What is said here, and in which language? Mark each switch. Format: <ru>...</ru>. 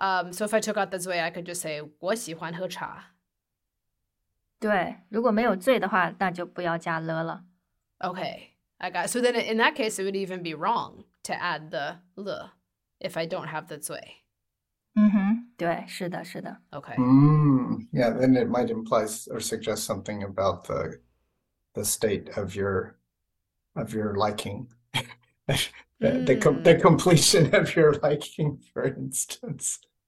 <en>So if I took out the 醉, I could just say</en> <zh>我喜欢喝茶. 对，如果没有醉的话，那就不要加了了。</zh> <en>Okay, I got. So then in that case, it would even be wrong to add the 了 if I don't have the 醉.</en> <zh>对，是的，是的。</zh> <en>Okay. Yeah, then it might imply or suggest something about the state of your liking, the completion of your liking, for instance.</en>